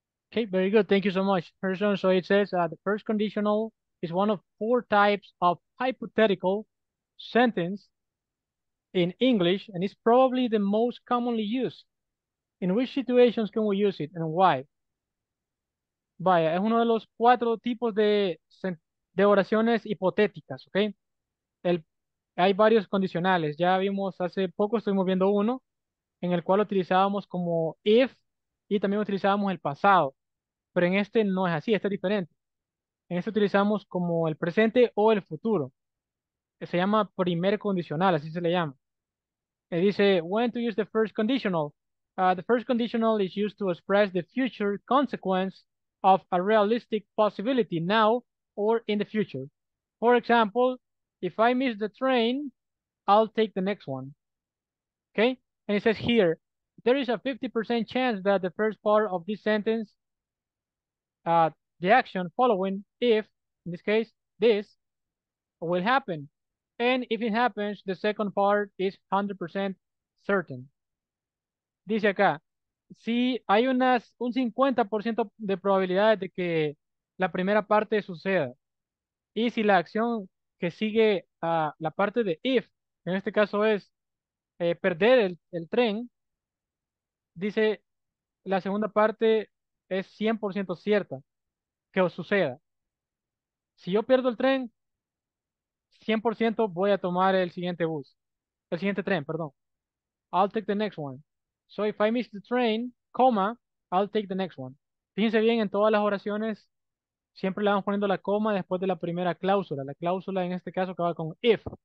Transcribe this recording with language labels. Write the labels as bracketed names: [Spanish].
[English] Okay, very good. Thank you so much, Person. So it says the first conditional is one of four types of hypothetical sentence in English, and it's probably the most commonly used. In which situations can we use it and why? [Spanish] Vaya, es uno de los cuatro tipos de oraciones hipotéticas, ¿ok? Hay varios condicionales. Ya vimos hace poco, estuvimos viendo uno, en el cual utilizábamos como if y también utilizábamos el pasado. Pero en este no es así, este es diferente. En este utilizamos como el presente o el futuro. Se llama primer condicional, así se le llama. Y dice, [English] when to use the first conditional. The first conditional is used to express the future consequence of a realistic possibility now or in the future. For example, if I miss the train, I'll take the next one. Okay? And it says here, there is a 50% chance that the first part of this sentence, the action following if, in this case, this will happen. And if it happens, the second part is 100% certain. [Spanish] Dice acá, si hay unas un 50% de probabilidades de que la primera parte suceda, y si la acción que sigue a la parte de if, en este caso es perder el tren, dice la segunda parte es 100% cierta que os suceda. Si yo pierdo el tren, 100% voy a tomar el siguiente tren, perdón. [English] I'll take the next one. So if I miss the train, coma, I'll take the next one. [Spanish] Fíjense bien, en todas las oraciones siempre le vamos poniendo la coma después de la primera cláusula. La cláusula en este caso acaba con if.